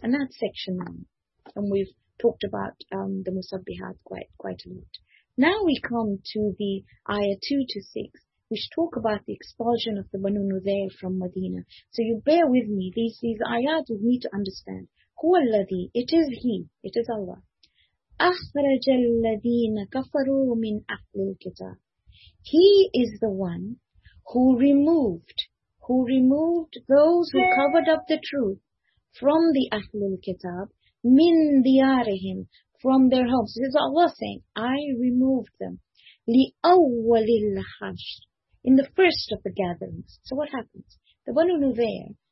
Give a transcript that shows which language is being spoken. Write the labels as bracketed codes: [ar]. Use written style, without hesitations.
[en] And that's section one. And we've talked about the Musabbihat quite a lot. Now we come to the ayah 2 to 6, which talk about the expulsion of the Banu Nuzair from Medina. So you bear with me. These ayat, you need to understand. Huwa al-Ladhi. It is he. It is Allah. [ar] أخرج الذين كفروا من أهل الكتاب. [en] He is the one who removed those who covered up the truth from the أهل الكتاب, [ar] من ديارهم, [en] from their homes. This is Allah saying, I removed them. [ar] لأول الحشر, [en] in the first of the gatherings. So what happens? The Banu Nuzair,